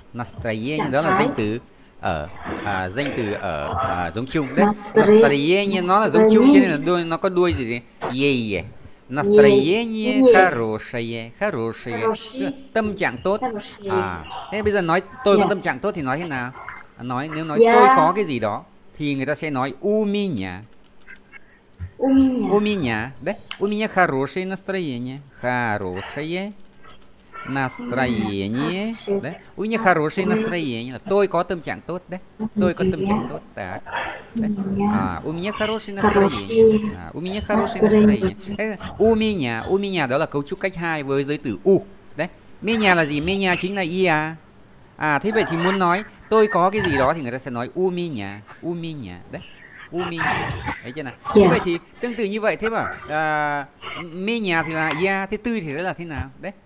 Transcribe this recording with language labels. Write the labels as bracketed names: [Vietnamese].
[Vietnamese] Настроение đó là danh từ ở danh từ ở giống chung đấy. Настроение nó là giống chung cho nên là đuôi nó có đuôi gì đấy. [Russian] Настроение хорошее, хорошее. [Vietnamese] Tâm trạng tốt. À, thế bây giờ nói tôi có tâm trạng tốt thì nói thế nào? Nói nếu nói tôi có cái gì đó thì người ta sẽ nói у меня, да? [Russian] У меня хорошее настроение, хорошее настроение, да? У меня хорошее настроение. [Vietnamese] Tôi có tâm trạng tốt, да? Tôi có tâm trạng tốt, да? [Russian] À, у меня хорошее настроение. À, у меня хорошее настроение. [Vietnamese] У меня đó là cấu trúc cách hai với giới từ у. Đấy. Меня là gì? Меня chính là я. À thế vậy thì muốn nói tôi có cái gì đó thì người ta sẽ nói у меня. [Russian] У меня. Đấy. У меня. Thấy chưa nào? [Vietnamese] Thế vậy thì tương tự như vậy thế mà меня thì là я, thế ты thì sẽ là thế nào? Đấy.